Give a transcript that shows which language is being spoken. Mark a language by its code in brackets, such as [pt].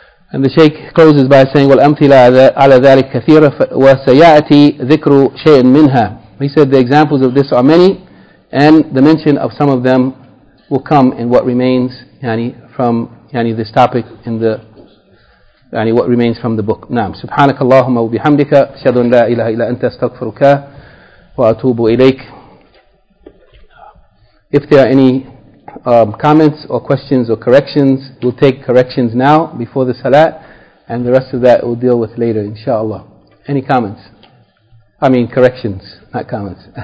[en] And the Shaykh closes by saying, [ar] وَالْأَمْثِلَ عَلَى ذَلِكَ كَثِيرًا وَسَيَأْتِي ذِكْرُ شَيْءٍ مِنْهَا [en] He said the examples of this are many and the mention of some of them will come in what remains yani, from yani, this topic in the يعني what remains from the book. [ar] نعم. سبحانك اللهم وبحمدك أشهد أن لا إله إلا أنت استغفرك وأتوب إليك. [en] If there are any comments or questions or corrections, we'll take corrections now before the salat, and the rest of that we'll deal with later, inshallah. Any comments? I mean corrections, not comments.